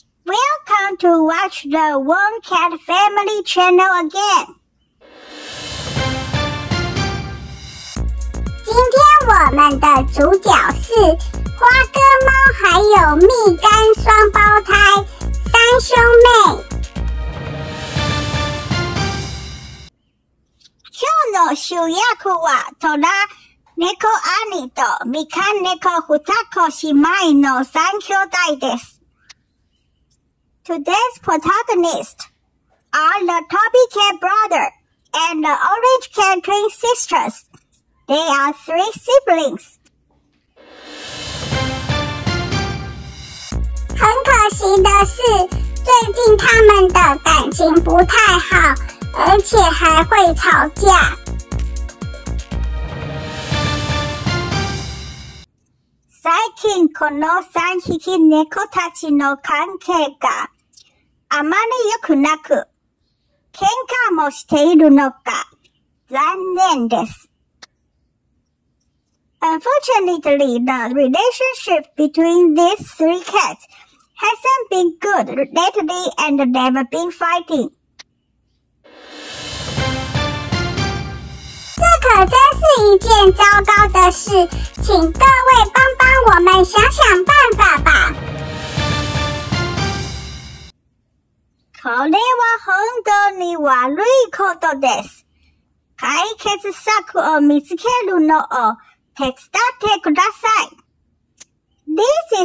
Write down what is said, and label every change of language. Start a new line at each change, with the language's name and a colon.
English: Welcome to watch the One Cat Family Channel again.
Chinese: 今天我们的主角是花哥猫还有蜜柑双胞胎三兄妹。
Japanese: 今日の主役はトラ猫兄とみかん猫双子姉妹の三兄弟です。
English: Today's protagonists are the Toby Cat brother and the Orange Cat twin sisters. They are three siblings.
Chinese: 很可惜的是，最近他们的感情不太好，而且还会吵架。
Japanese: 最近この三匹猫たちの関係があまり良くなく、喧嘩もしているのか、残念です。
English: Unfortunately, the relationship between these three cats hasn't been good lately and they've been fighting.
Chinese: 这可真是一件糟糕的事，请各位帮帮我们想想办法吧。
Japanese: これは本当に悪いことです。解決策を見つけるのを手伝ってください。